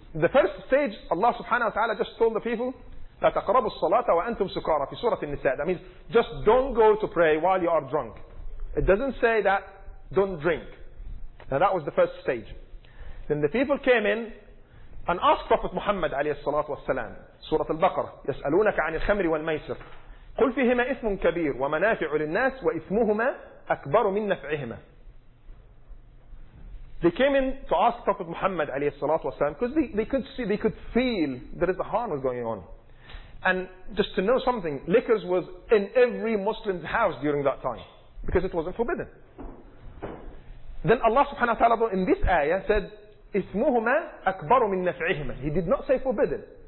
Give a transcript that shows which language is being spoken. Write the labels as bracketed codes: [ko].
[en] The first stage, Allah subhanahu wa ta'ala just told the people, [ar] لا تقربوا الصلاة وأنتم سكارى في سورة النساء. [en] That means, just don't go to pray while you are drunk. It doesn't say that, don't drink. Now that was the first stage. Then the people came in and asked Prophet Muhammad عليه الصلاة والسلام, سورة البقرة, [ar] يسألونك عن الخمر والميسر. قل فيهما إثم كبير ومنافع للناس وإثمهما أكبر من نفعهما. [en] They came in to ask Prophet Muhammad alayhi salatu wasalam, because they could see, they could feel there is a harm was going on. And just to know something, liquors was in every Muslim's house during that time, because it wasn't forbidden. Then Allah subhanahu wa ta'ala in this ayah said, [ar] إِثْمُهُمَا أَكْبَرُ مِن نَفْعِهِمَا. [en] He did not say forbidden.